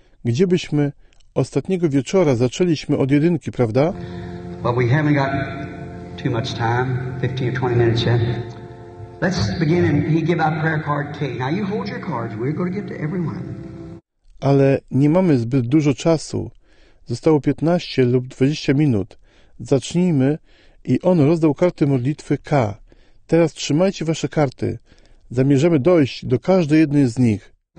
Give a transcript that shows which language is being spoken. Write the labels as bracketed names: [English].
[Polish] Gdzie byśmy ostatniego wieczora zaczęliśmy od jedynki, prawda? [English] But we haven't got too much time, 15 or 20 minutes yet. Let's begin and he give out prayer card K. Now you hold your cards. We're going to give to everyone. [Polish] Ale nie mamy zbyt dużo czasu. Zostało 15 lub 20 minut. Zacznijmy. I on rozdał karty modlitwy K. Teraz trzymajcie wasze karty. Zamierzamy dojść do każdej jednej z nich.